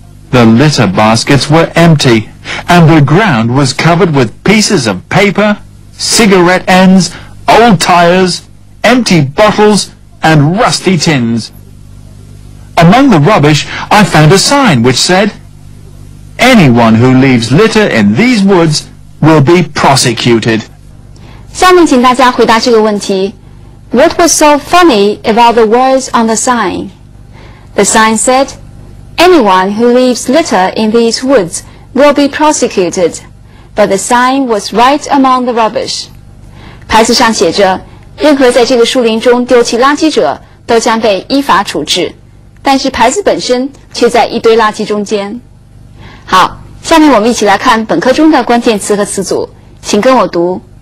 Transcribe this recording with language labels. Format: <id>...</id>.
<en>The litter baskets were empty, and the ground was covered with pieces of paper, cigarette ends, old tires, empty bottles,and rusty tins. Among the rubbish, I found a sign which said, Anyone who leaves litter in these woods will be prosecuted.</en> <zh>下面请大家回答这个问题。</zh> <en>What was so funny about the words on the sign? The sign said, Anyone who leaves litter in these woods will be prosecuted. But the sign was right among the rubbish.</en> <zh>牌子上写着任何在这个树林中丢弃垃圾者都将被依法处置，但是牌子本身却在一堆垃圾中间。好，下面我们一起来看本课中的关键词和词组，请跟我读。</zh>